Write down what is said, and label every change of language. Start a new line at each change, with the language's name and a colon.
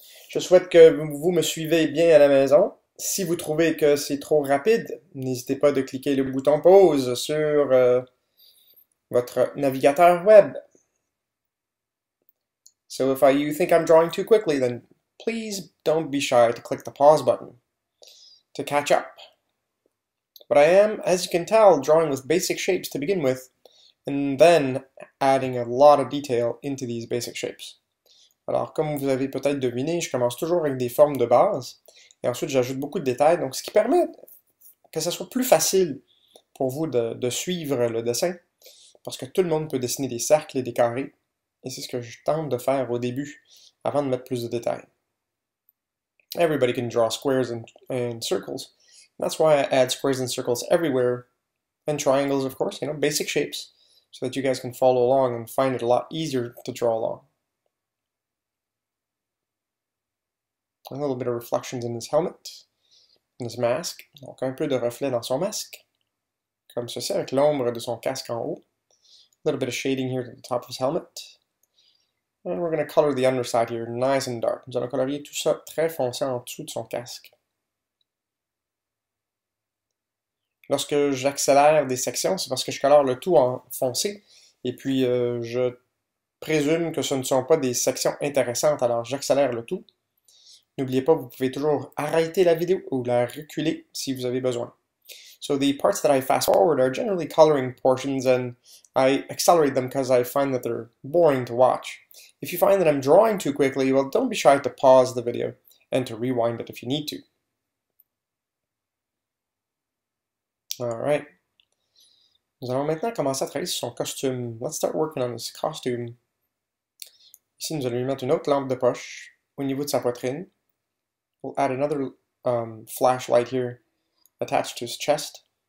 French: Je souhaite que vous me suivez bien à la maison. Si vous trouvez que c'est trop rapide, n'hésitez pas de cliquer le bouton pause sur votre navigateur web.
English: So if you think I'm drawing too quickly, then please don't be shy to click the pause button to catch up. But I am, as you can tell, drawing with basic shapes to begin with, and then adding a lot of detail into these basic shapes.
French: Alors, comme vous avez peut-être deviné, je commence toujours avec des formes de base, et ensuite j'ajoute beaucoup de détails, donc ce qui permet que ça soit plus facile pour vous de suivre le dessin, parce que tout le monde peut dessiner des cercles et des carrés, et c'est ce que je tente de faire au début, avant de mettre plus de détails.
English: Everybody can draw squares and circles. That's why I add squares and circles everywhere, and triangles, of course, basic shapes, so that you guys can follow along and find it a lot easier to draw along. A little bit of reflections in his helmet, in his mask,
French: donc un peu de reflet dans son masque, comme ceci, avec l'ombre de son casque en haut.
English: A little bit of shading here at the top of his helmet. And we're going to color the underside here nice and dark.
French: Nous allons colorier tout ça très foncé en dessous de son casque. Lorsque j'accélère des sections, c'est parce que je colore le tout en foncé. Et puis, je présume que ce ne sont pas des sections intéressantes, alors j'accélère le tout. N'oubliez pas, vous pouvez toujours arrêter la vidéo ou la reculer si vous avez besoin.
English: So the parts that I fast forward are generally coloring portions, and I accelerate them because I find that they're boring to watch. If you find that I'm drawing too quickly, well, don't be shy to pause the video and to rewind it if you need to. All right.
French: Nous allons maintenant commencer à travailler sur son costume.
English: Let's start working on his costume.
French: Ici, nous allons lui mettre une autre lampe de poche au niveau de sa poitrine.
English: We'll add another flashlight here attached to his chest.